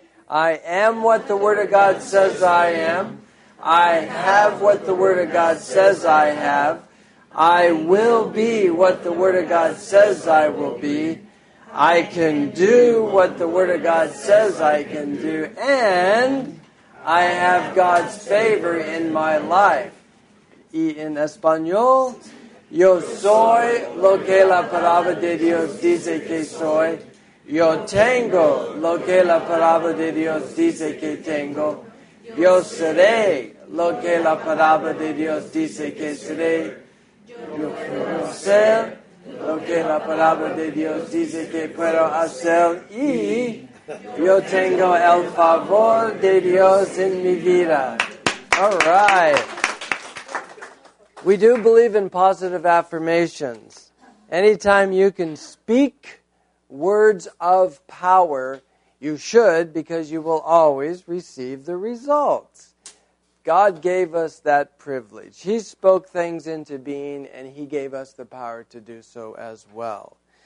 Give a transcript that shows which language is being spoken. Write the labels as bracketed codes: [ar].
[en] I am what the word of God says I am. I have what the word of God says I have. I will be what the word of God says I will be. I can do what the Word of God says I can do, and I have God's favor in my life. [es] Y en español, yo soy lo que la palabra de Dios dice que soy. Yo tengo lo que la palabra de Dios dice que tengo. Yo seré lo que la palabra de Dios dice que seré. Yo quiero ser lo que la palabra de Dios dice que puedo hacer, y yo tengo el favor de Dios en mi vida. [en] All right. We do believe in positive affirmations. Anytime you can speak words of power, you should, because you will always receive the results. God gave us that privilege. He spoke things into being, and he gave us the power to do so as well.